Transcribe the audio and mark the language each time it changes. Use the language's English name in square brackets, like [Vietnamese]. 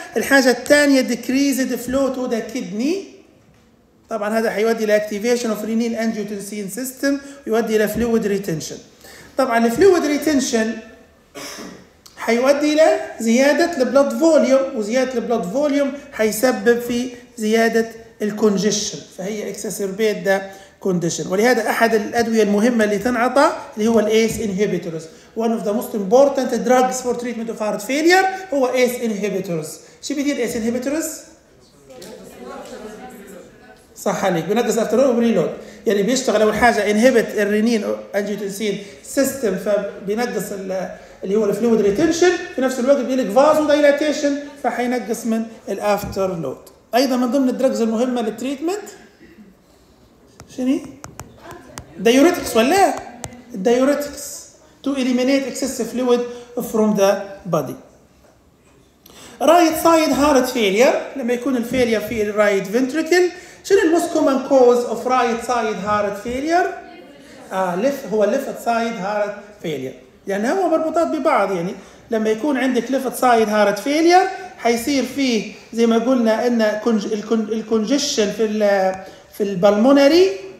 [Arabic] الحاجه الثانيه ديكريزد فلو تو ذا كيدني، طبعا هذا حيودي لاكتيفيشن اوف رينين انجيوتنسين سيستم، يودي الى فلويد ريتينشن. طبعا الفلويد ريتينشن حيودي الى زياده البلد فوليوم، وزياده البلد فوليوم حيسبب في زياده الكونجشن، فهي اكسسربيت ذا كونديشن. ولهذا احد الادويه المهمه اللي تنعطى اللي هو [English] الايس inhibitors, one of the most important drugs for treatment of heart failure هو ACE inhibitors. [Arabic] شو بيدير ACE inhibitors؟ صح عليك، بنقص افترول وريلود، يعني بيشتغل اول حاجه انهبت الرينين انجيوتنسين سيستم، فبنقص اللي هو الفلويد ريتينشن، في نفس الوقت بيلك فازو دايلاتيشن، فحينقص من الافتر لود. ايضا من ضمن الدرجز المهمه للتريتمنت شنو؟ دايوريتكس ولا الدايوريتكس [English] to eliminate excessive fluid from the body. Right side heart failure، [Arabic] لما يكون [English] failure في right ventricle، شنو most common cause of right side heart failure؟ هو left side heart failure. [Arabic] يعني هو مربوطات ببعض، يعني لما يكون عندك left side heart failure حيصير فيه زي ما قلنا ان congestion في البلمونري